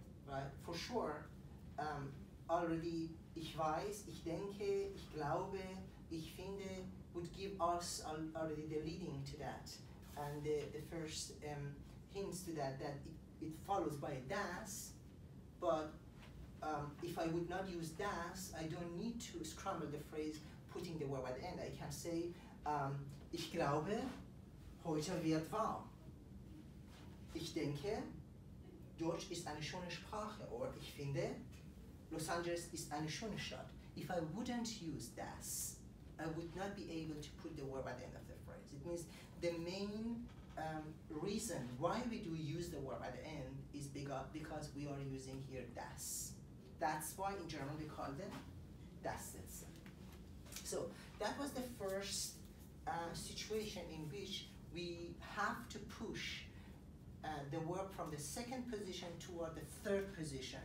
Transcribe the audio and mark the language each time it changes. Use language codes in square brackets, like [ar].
[en] Right? For sure, already [de] ich weiß, ich denke, ich glaube, ich finde [en] would give us already the leading to that. And the first hints to that it follows by das, but if I would not use das, I don't need to scramble the phrase putting the verb at the end. I can say, [de] ich glaube, heute wird warm. Ich denke, Deutsch ist eine schöne Sprache. Or ich finde, Los Angeles ist eine schöne Stadt. [en] If I wouldn't use das, I would not be able to put the verb at the end of the phrase. It means the main reason why we do use the verb at the end is because we are using here das. That's why in German we call them das Sätze. So that was the first situation in which we have to push the verb from the second position toward the third position.